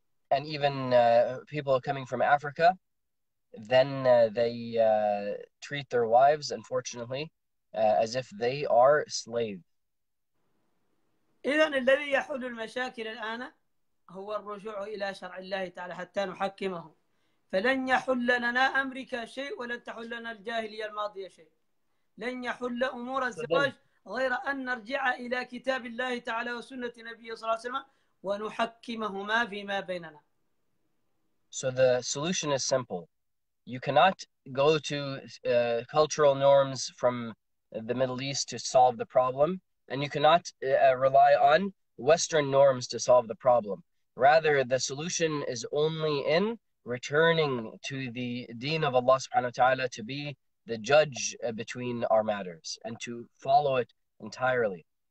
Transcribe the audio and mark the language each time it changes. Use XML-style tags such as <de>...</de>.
<en>And even people coming from Africa, then they treat their wives, unfortunately, as if they are slaves.</en> <ar>إذن الذي يحل المشاكل الآن هو الرجوع إلى شرع الله تعالى حتى نحكمه. فلن يحل لنا أمريكا شيء ولن تحل لنا الجاهلية الماضية شيء. لن يحل أمور الزواج غير أن نرجع إلى كتاب الله تعالى وسنة نبيه صلى الله عليه وسلم ونحكمهما فيما بيننا.</ar> <en>So the solution is simple. You cannot go to cultural norms from the Middle East to solve the problem, and you cannot rely on Western norms to solve the problem. Rather, the solution is only in returning to the deen of Allah subhanahu wa ta'ala to be the judge between our matters and to follow it entirely.</en>